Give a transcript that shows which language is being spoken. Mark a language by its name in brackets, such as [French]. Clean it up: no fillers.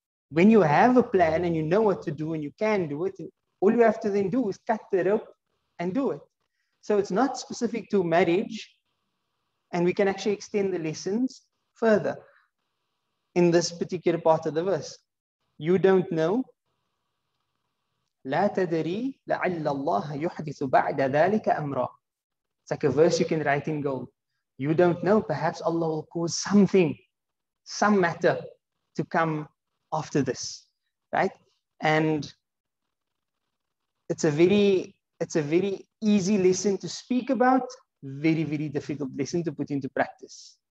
[English] When you have a plan and you know what to do and you can do it, all you have to then do is cut the rope and do it. So it's not specific to marriage, and we can actually extend the lessons further in this particular part of the verse. You don't know. [Arabic] لا تدري لعل الله يحدث بعد ذلك أمرا. [English] It's like a verse you can write in gold. You don't know, perhaps Allah will cause something, some matter to come after this, right? And it's a very easy lesson to speak about, very, very difficult lesson to put into practice.